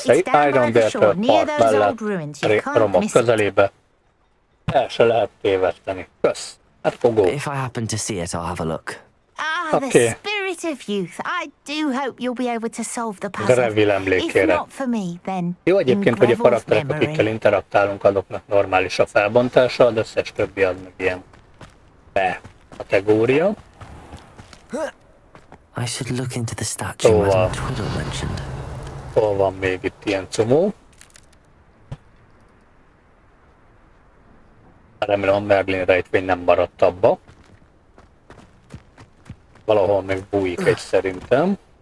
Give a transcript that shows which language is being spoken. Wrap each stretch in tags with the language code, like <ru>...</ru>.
<en>It's down on the shore, near those old ruins. You can't</en> <hu>romok közelébe. El se lehet téveszteni. Kösz. Hát fogó.</hu> <en>If I happen to see it, I'll have a look. Ah, okay. The spirit of youth. I do hope you'll be able to solve the puzzle.</en> <hu>Greville emlékére.</hu> <en>If not for me, then</en> <hu>jó egyébként, hogy a karakterek, akikkel interaktálunk, azoknak normális a felbontása, az összes többi az meg ilyen be kategória.</hu> <en>I should look into the statue, szóval, as Twiddle mentioned.</en> <hu>Hol van még itt ilyen csomó? Remélem, Merlin rejtvény nem maradt abba. Valahol még bújik egy szerintem.</hu>